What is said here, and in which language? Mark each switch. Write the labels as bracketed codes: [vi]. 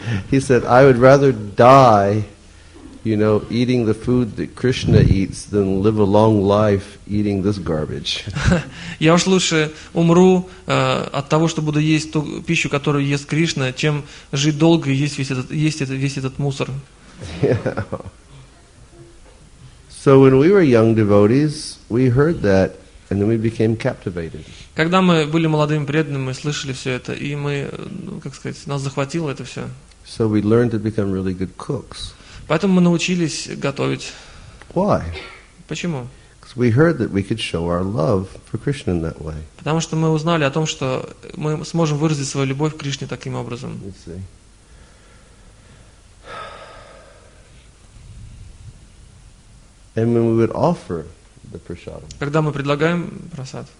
[en] He said, I would rather die, you know, eating the food that Krishna eats, then live a long life eating this garbage. [ru] Я уж лучше умру от того, что буду есть ту пищу, которую ест Кришна, чем жить долго и есть весь этот мусор. [en] So when we were young devotees, we heard that, and then we became captivated. [ru] Когда мы были молодыми преданными, мы слышали все это, и мы, как сказать, нас захватило это все. [en] So we learned to become really good cooks. [ru] Поэтому мы научились готовить. [en] Why? [ru] Почему? [en] Because we heard that we could show our love for Krishna in that way. [ru] Потому что мы узнали о том, что мы сможем выразить свою любовь к Кришне таким образом. [en] Let's see. And when we would offer the prasadam. [ru] Когда мы предлагаем прасад.